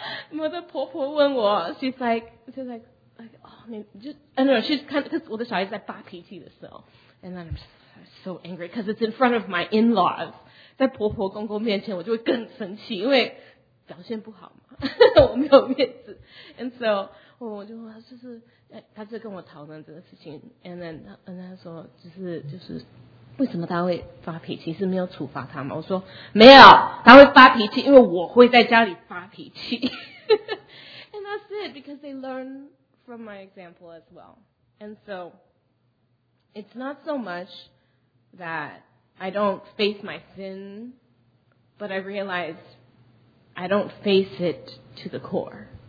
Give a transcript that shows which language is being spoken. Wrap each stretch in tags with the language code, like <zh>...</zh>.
<en>My</en> <zh>的婆婆问我</zh> <en>she's like, oh, man, just, I don't know, she's kind of, because</en> <zh>我的小孩子在发脾气的时候</zh> <en>and then I'm just so angry because it's in front of my in-laws.</en> <zh>在婆婆公公面前我就会更生气因为表现不好嘛我没有面子</zh> <en>and so,</en> <zh>我就说就是他就跟我讨论这个事情</zh> <en>and then</en> <zh>他说就是为什么他会发脾气是没有处罚他吗我说没有他会发脾气因为我会在家里发脾气。</zh> <en>And that's it, because they learn from my example as well. And so, it's not so much that I don't face my sin, but I realize I don't face it to the core.</en>